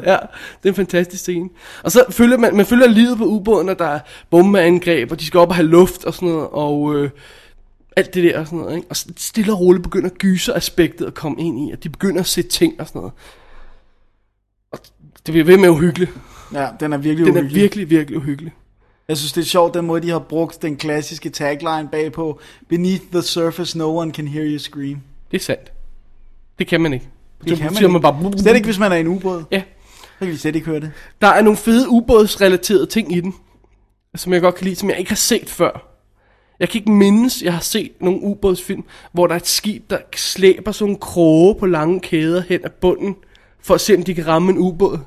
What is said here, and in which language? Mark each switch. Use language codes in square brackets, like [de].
[da] Ja, det er en fantastisk scene. Og så følger man følger livet på ubåden, og der er bombeangreb, og de skal op og have luft og sådan noget, og alt det der og sådan noget. Ikke? Og stille og roligt begynder gyseraspektet at komme ind i, og de begynder at se ting og sådan noget. Og det bliver ved med uhyggeligt. Ja, den er virkelig uhyggelig. Den er virkelig, virkelig uhyggelig. Jeg synes, det er sjovt, den måde, de har brugt den klassiske tagline bagpå. [en] Beneath the surface, no one can hear you scream. [da] Det er sandt. Det kan man ikke. Det kan man ikke. Slet ikke, hvis man er i en ubåd. Ja. Så kan vi slet ikke høre det. Der er nogle fede ubådsrelaterede ting i den, som jeg godt kan lide, som jeg ikke har set før. Jeg kan ikke mindes, jeg har set nogle ubådsfilm, hvor der er et skib, der slæber sådan en kroge på lange kæder hen ad bunden, for at se, om de kan ramme en ubåd.